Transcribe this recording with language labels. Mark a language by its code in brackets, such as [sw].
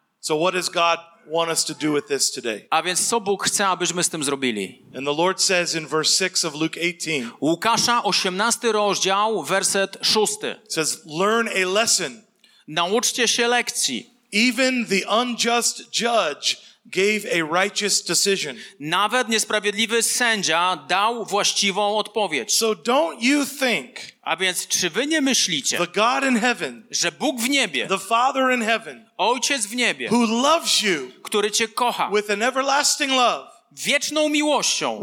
[en] So what is God want us to do with this today? [pl] A więc co Bóg chce, abyśmy z tym zrobili? [en] And the Lord says in verse 6 of Luke 18. [pl] Łukasza 18 rozdział, werset 6. [en] Says, learn a lesson. [pl] Nauczcie się lekcji. [en] Even the unjust judge gave a righteous decision. [pl] Nawet niesprawiedliwy sędzia dał właściwą odpowiedź. [en] So don't you think? [pl] A więc czy wy nie myślicie? [en] The God in heaven. [pl] Że Bóg w niebie. [en] The Father in heaven. [pl] Ojciec w niebie, [en] who loves you, [pl] który cię kocha, [en] with an everlasting love, [pl] wieczną miłością,